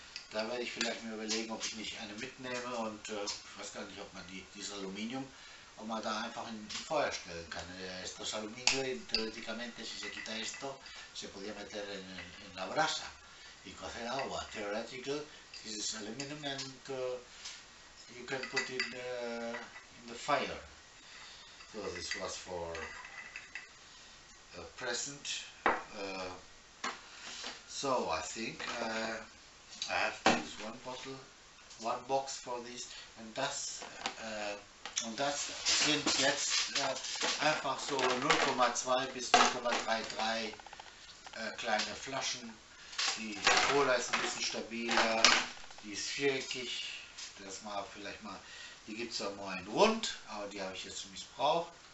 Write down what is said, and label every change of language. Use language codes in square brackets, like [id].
[de] Da werde ich vielleicht mir überlegen, ob ich nicht eine mitnehme und ich weiß gar nicht, ob man dieses Aluminium ob man da einfach in Feuer stellen kann. [es] Esto es aluminio y teóricamente si se quita esto se podía meter en la brasa y cocer agua. [en] Theoretically, this is aluminum and you can put it in the fire. So this was for a present. So I think I have to use one bottle, one box for this and das. [de] Und das sind jetzt einfach so 0,2 bis 0,33 kleine Flaschen. Die Cola ist ein bisschen stabiler, die ist viereckig. Das mal vielleicht mal, die gibt es auch mal in rund, aber die habe ich jetzt schon missbraucht.